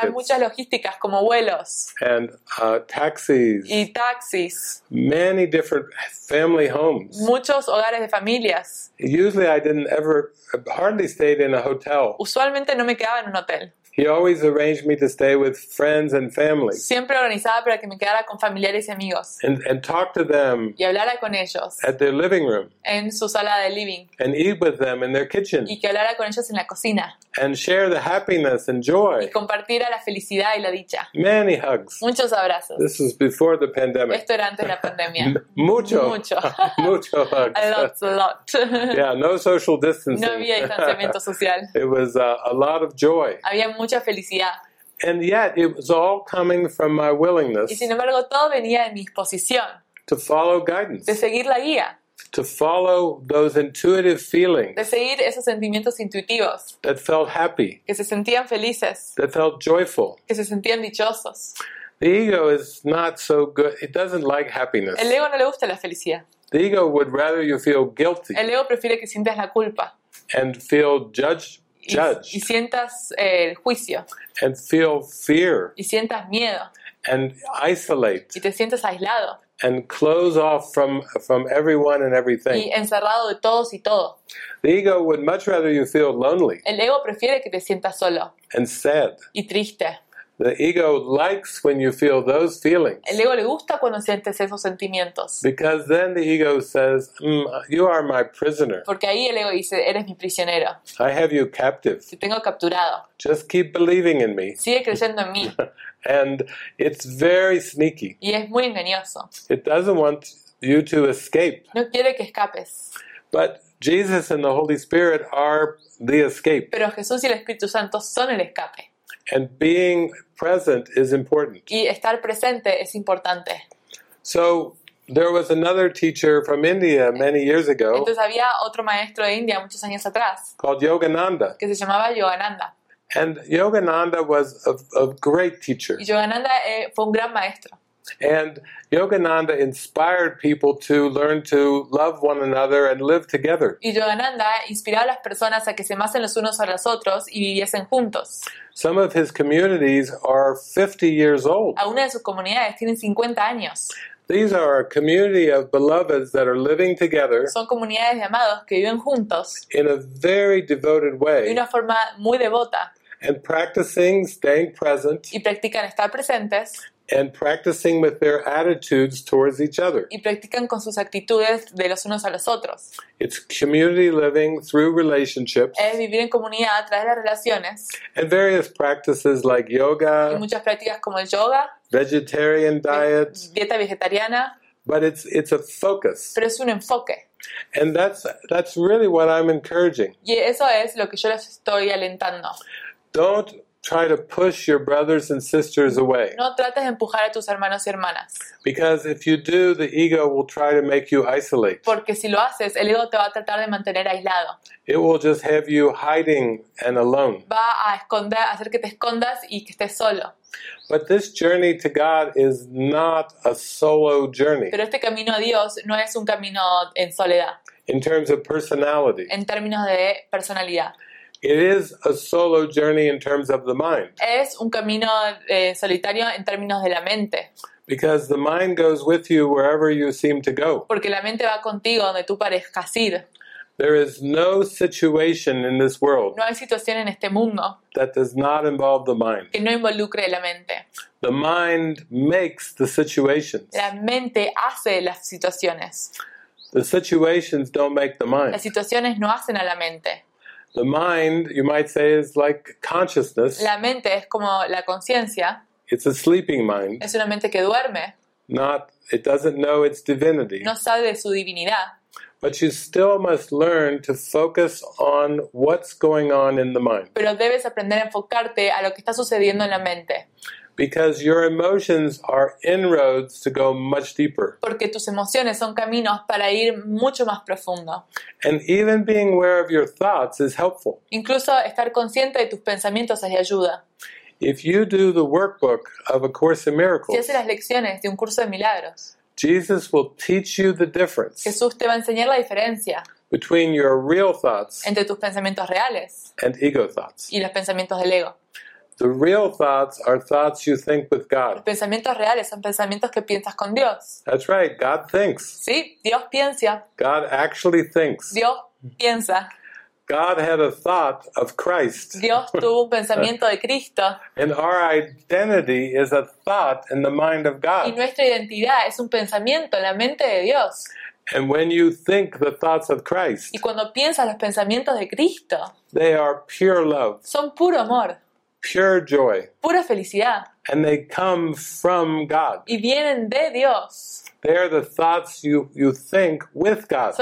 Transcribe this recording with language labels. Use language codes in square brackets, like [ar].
[es] Hay muchas logísticas como vuelos. [en] And taxis. [es] Y taxis. [en] Many different family homes. [es] Muchos hogares de familias. [en] Usually I didn't ever hardly stayed in a hotel. [es] Usualmente no me quedaba en un hotel. [en] He always arranged me to stay with friends and family. [es] Siempre organizaba para que me quedara con familiares y amigos. [en] And talk to them. [es] Y hablara con ellos. [en] At their living room. [es] En su sala de living. [en] And eat with them in their kitchen. [es] Y que hablara con ellos en la cocina. [en] And share the happiness and joy. [es] Y compartiera la felicidad y la dicha. [en] Many hugs. [es] Muchos abrazos. [en] This was before the pandemic. [es] Esto era antes de la pandemia. Mucho. Mucho. Mucho hugs. [en] A lot. Yeah, no social distancing. [es] No había distanciamiento social. [en] It was a lot of joy. [es] Había mucha felicidad. [en] And yet, it was all coming from my willingness. [es] Y sin embargo, todo venía de mi disposición. [en] To follow guidance. [es] De seguir la guía. [en] To follow those intuitive feelings. [es] De seguir esos sentimientos intuitivos. [en] That felt happy. [es] Que se sentían felices. [en] That felt joyful. [es] Que se sentían dichosos. [en] The ego is not so good. It doesn't like happiness. [es] El ego no le gusta la felicidad. [en] The ego would rather you feel guilty. [es] El ego prefiere que sientas la culpa. [en] And feel judged. [es] Y sientas el juicio. [en] And feel fear. [es] Y sientas miedo. [en] And isolate. [es] Y te sientes aislado. [en] And close off from everyone and everything. [es] Y encerrado de todos y todo. [en] The ego would much rather you feel lonely. [es] El ego prefiere que te sientas solo. [en] And sad. [es] Y triste. [en] The ego likes when you feel those feelings. [es] El ego le gusta cuando sientes esos sentimientos. [en] Because then the ego says, you are my prisoner. [es] Porque ahí el ego dice, eres mi prisionero. [en] I have you captive. [es] Te tengo capturado. [en] Just keep believing in me. [es] Sigue creyendo en mí. [en] And it's very sneaky. [es] Y es muy engañoso. [en] It doesn't want you to escape. [es] No quiere que escapes. [en] But Jesus and the Holy Spirit are the escape. [es] Pero Jesús y el Espíritu Santo son el escape. [en] And being present is important. [es] Y estar presente es importante. [en] So there was another teacher from India many years ago. [es] Entonces había otro maestro de India muchos años atrás. [en] Called Yogananda. [es] Que se llamaba Yogananda. [en] And Yogananda was a great teacher. [es] Y Yogananda fue un gran maestro. [en] And Yogananda inspired people to learn to love one another and live together. [es] Y Yogananda inspiraba a las personas a que se amasen los unos a los otros y viviesen juntos. [en] Some of his communities are 50 years old. [es] Algunas de sus comunidades tienen 50 años. [en] These are a community of beloveds that are living together. [es] Son comunidades de amados que viven juntos. [en] In a very devoted way. [es] De una forma muy devota. [en] And practicing staying present. [es] Y practican estar presentes. [en] And practicing with their attitudes towards each other. [es] Y practican con sus actitudes de los unos a los otros. [en] It's community living through relationships. [es] Es vivir en comunidad a través de las relaciones. [en] And various practices like yoga. [es] Y muchas prácticas como el yoga. [en] Vegetarian diet. [es] Dieta vegetariana. [en] But it's a focus. [es] Pero es un enfoque. [en] And that's really what I'm encouraging. [es] Y eso es lo que yo les estoy alentando. [en] Don't try to push your brothers and sisters away. [es] No trates de empujar a tus hermanos y hermanas. [en] Because if you do, the ego will try to make you isolate. [es] Porque si lo haces, el ego te va a tratar de mantener aislado. [en] It will just have you hiding and alone. [es] Va a esconder, hacer que te escondas y que estés solo. [en] But this journey to God is not a solo journey. [es] Pero este camino a Dios no es un camino en soledad. [en] In terms of personality. [es] En términos de personalidad. [en] It is a solo journey in terms of the mind. [es] Es un camino solitario en términos de la mente. [en] Because the mind goes with you wherever you seem to go. [es] Porque la mente va contigo donde tú parezcas ir. [en] There is no situation in this world. [es] No hay situación en este mundo. [en] That does not involve the mind. [es] Que no involucre la mente. [en] The mind makes the situations. [es] La mente hace las situaciones. [en] The situations don't make the mind. [es] Las situaciones no hacen a la mente. [en] The mind, you might say, is like consciousness. [es] La mente es como la conciencia. [en] It's a sleeping mind. [es] Es una mente que duerme. [en] Not, it doesn't know its divinity. [es] No sabe de su divinidad. [en] But you still must learn to focus on what's going on in the mind. [es] Pero debes aprender a enfocarte a lo que está sucediendo en la mente. [en] Because your emotions are inroads to go much deeper. [es] Porque tus emociones son caminos para ir mucho más profundo. [en] And even being aware of your thoughts is helpful. [es] Incluso estar consciente de tus pensamientos es de ayuda. [en] If you do the workbook of A Course in Miracles, [es] si haces las lecciones de Un Curso de Milagros, [en] Jesus will teach you the difference. [es] Jesús te va a enseñar la diferencia. [en] Between your real thoughts, [es] entre tus pensamientos reales, [en] and ego thoughts, [es] y los pensamientos del ego. [en] The real thoughts are thoughts you think with God. [es] Los pensamientos reales son pensamientos que piensas con Dios. [en] That's right, God thinks. [es] Sí, Dios piensa. [en] God actually thinks. [es] Dios piensa. [en] God had a thought of Christ. [es] Dios tuvo un pensamiento de Cristo. [en] And our identity is a thought in the mind of God. [es] Y nuestra identidad es un pensamiento en la mente de Dios. [en] And when you think the thoughts of Christ, [es] y cuando piensas los pensamientos de Cristo, [en] they are pure love. [es] Son puro amor. [en] Pure joy. [es] Pura felicidad. [en] And they come from God. [es] Y vienen de Dios. [en] They are the thoughts you think with God.